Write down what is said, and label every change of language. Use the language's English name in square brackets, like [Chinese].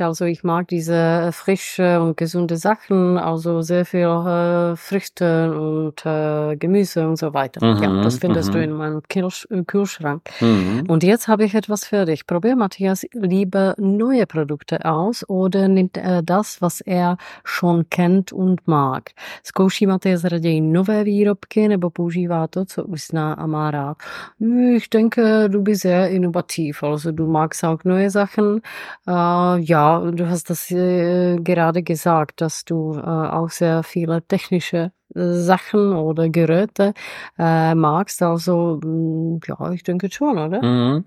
[German] Also, ich mag diese frische und gesunde Sachen, also sehr viel Früchte und Gemüse und so weiter. Ja, das findest du in meinem Kühlschrank. Und jetzt habe ich etwas für dich. Probier Matthias lieber neue Produkte aus oder nimmt er das, was er schon kennt und mag? [Czech] Zkouší Matthias raději nové výrobky nebo používá to, co už zná a má rád? [German] Ich denke, du bist sehr innovativ. Also, du magst auch neue Sachen. Ja, du hast das gerade gesagt, dass du auch sehr viele technische Sachen oder Geräte magst. Also, ja, ich denke schon, oder?